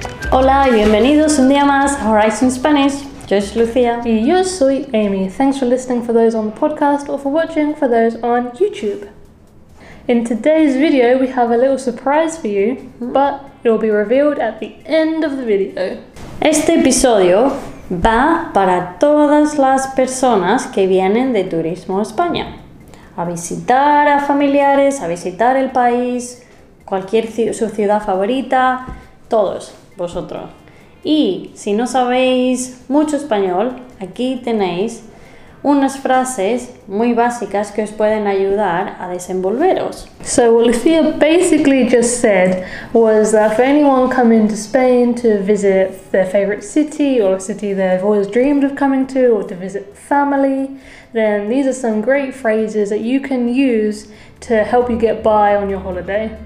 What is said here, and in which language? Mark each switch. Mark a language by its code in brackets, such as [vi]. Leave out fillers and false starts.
[es] Hola y bienvenidos un día más a Horizon Spanish. Yo soy Lucía. Y yo soy Amy. [en] Thanks for listening for those on the podcast or for watching for those on YouTube. In today's video, we have a little surprise for you, but it will be revealed at the end of the video. [es] Este episodio va para todas las personas que vienen de turismo a España. A visitar a familiares, a visitar el país, cualquier su ciudad favorita, todos vosotros. Y si no sabéis mucho español, aquí tenéis unas frases muy básicas que os pueden ayudar a desenvolveros. [en] So what Lucía basically just said was that for anyone coming to Spain to visit their favorite city or a city they've always dreamed of coming to or to visit family, then these are some great phrases that you can use to help you get by on your holiday.